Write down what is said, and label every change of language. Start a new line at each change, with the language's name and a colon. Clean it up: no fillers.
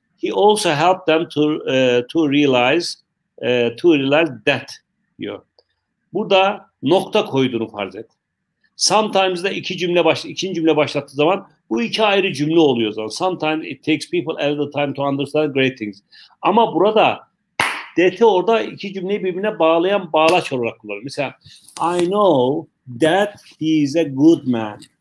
English: He also helped them to realize that
Turkish: diyor. Burada nokta koyduğunu farz et. Sometimes de ikinci cümle başlattığı zaman bu iki ayrı cümle oluyor zaten.
English: Sometimes it takes people a little time to understand great things.
Turkish: Ama burada that'i orada iki cümleyi birbirine bağlayan bağlaç olarak kullanıyor. Mesela
English: I know that he is a good man.